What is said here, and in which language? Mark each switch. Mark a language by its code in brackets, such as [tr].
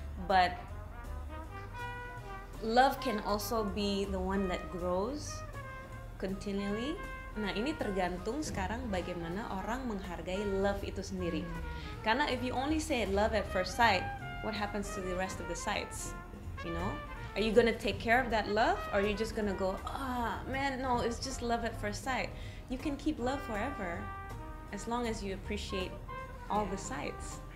[en] But love can also be the one that grows continually. [id] Nah, ini tergantung sekarang bagaimana orang menghargai love itu sendiri. Karena [en] if you only say love at first sight, what happens to the rest of the sights? You know? Are you gonna take care of that love? Or are you just gonna go, ah, man, no, it's just love at first sight. You can keep love forever as long as you appreciate all the sights.